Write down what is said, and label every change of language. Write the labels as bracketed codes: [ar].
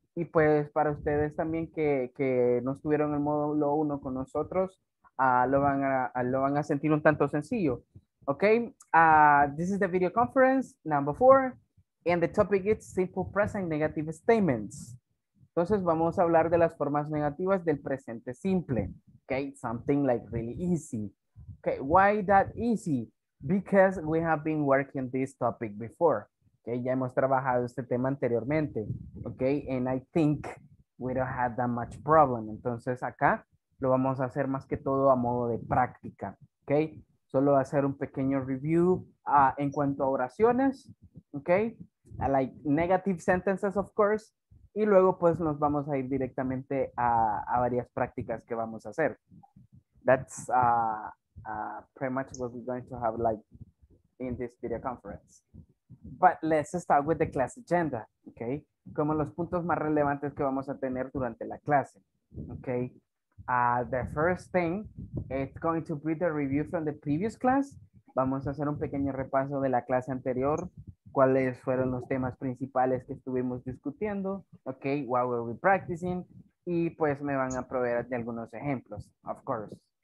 [es] Y pues para ustedes también que no estuvieron en el módulo 1 con nosotros, lo van a sentir un tanto sencillo. [en] Okay, this is the video conference number 4 and the topic is simple present negative statements. [es] Entonces vamos a hablar de las formas negativas del presente simple. [en] Okay, something like really easy. Okay, why that easy? Because we have been working this topic before. Okay, [es] ya hemos trabajado este tema anteriormente, [en] okay, and I think we don't have that much problem. [es] Entonces acá lo vamos a hacer más que todo a modo de práctica, okay. Solo hacer un pequeño review en cuanto a oraciones, okay, [en] like negative sentences, of course, [es] y luego pues nos vamos a ir directamente a varias prácticas que vamos a hacer. [en] That's pretty much what we're going to have like in this video conference. But let's start with the class agenda, okay? [es] Como los puntos más relevantes que vamos a tener durante la clase, okay? [en] The first thing, it's going to be the review from the previous class. [es] Vamos a hacer un pequeño repaso de la clase anterior, cuáles fueron los temas principales que estuvimos discutiendo, okay? [en] What were we practicing? [es] Y pues me van a proveer de algunos ejemplos, [en] of course.